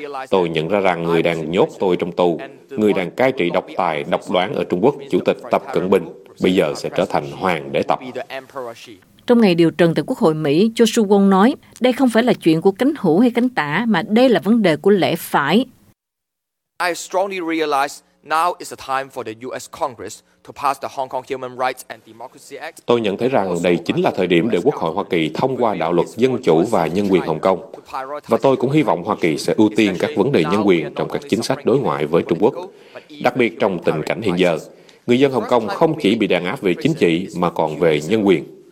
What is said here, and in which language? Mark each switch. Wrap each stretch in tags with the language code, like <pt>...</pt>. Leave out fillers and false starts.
<vi>Tôi nhận ra rằng người đang nhốt tôi trong tù, người đang cai trị độc tài, độc đoán ở Trung Quốc, chủ tịch Tập Cận Bình, bây giờ sẽ trở thành hoàng đế Tập. Trong ngày điều trần tại Quốc hội Mỹ, Joshua Wong nói, đây không phải là chuyện của cánh hữu hay cánh tả, mà đây là vấn đề của lẽ phải.</vi> <en>I strongly realize now is the time for the US Congress to pass the Hong Kong Human Rights and Democracy Act.</en> <vi>Tôi nhận thấy rằng đây chính là thời điểm để Quốc hội Hoa Kỳ thông qua đạo luật dân chủ và nhân quyền Hồng Kông. Và tôi cũng hy vọng Hoa Kỳ sẽ ưu tiên các vấn đề nhân quyền trong các chính sách đối ngoại với Trung Quốc, đặc biệt trong tình cảnh hiện giờ. Người dân Hồng Kông không chỉ bị đàn áp về chính trị mà còn về nhân quyền.</vi>